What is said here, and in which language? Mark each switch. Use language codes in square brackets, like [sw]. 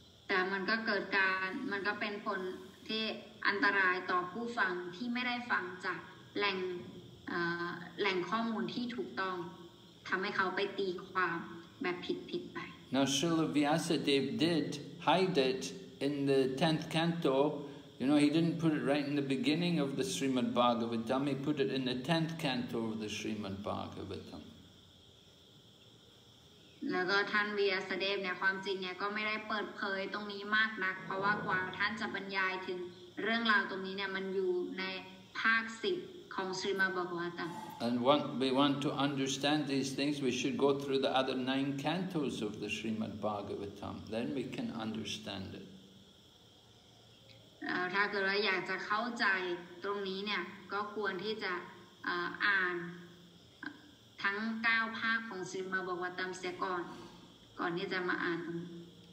[en] Now Srila Vyasadev did hide it in the 10th canto. You know, he didn't put it right in the beginning of the Srimad Bhagavatam, he put it in the 10th canto of the Srimad Bhagavatam. [th] แล้วก็ท่านเวียสเดฟเนี่ยความจริงเนี่ยก็ไม่ได้เปิดเผยตรงนี้มากนักเพราะว่ากว่าท่านจะบรรยายถึงเรื่องราวตรงนี้เนี่ยมันอยู่ในภาค 10 ข้อ [en] And we want to understand these things, we should go through the other 9 cantos of the Srimad Bhagavatam. Then we can understand it.